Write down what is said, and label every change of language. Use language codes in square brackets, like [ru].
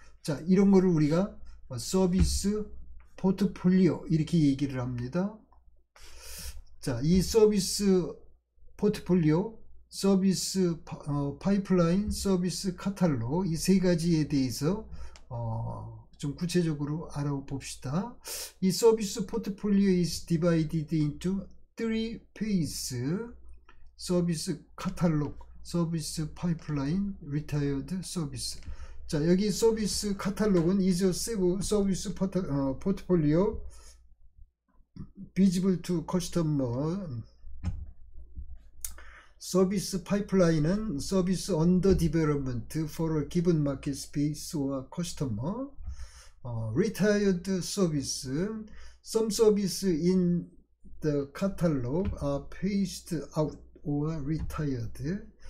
[ko] 자, 이런 거를 우리가 서비스 포트폴리오 이렇게 얘기를 합니다. 자, 이 서비스 포트폴리오, 서비스 파이프라인, 서비스 카탈로그 이세 가지에 대해서 좀 구체적으로 알아봅시다. [en] 이 서비스 포트폴리오 is divided into three phases. [ko] 서비스 카탈로그, 서비스 파이프라인, 리타이어드 서비스. 자, 여기 서비스 카탈로그는 [en] is a [ko] 서비스 포트폴리오 [en] visible to customer. 서비스 파이프라인은 서비스 언더 디벨롭먼트 for a given market space or customer. Retired service, some service in the catalog are phased out or retired.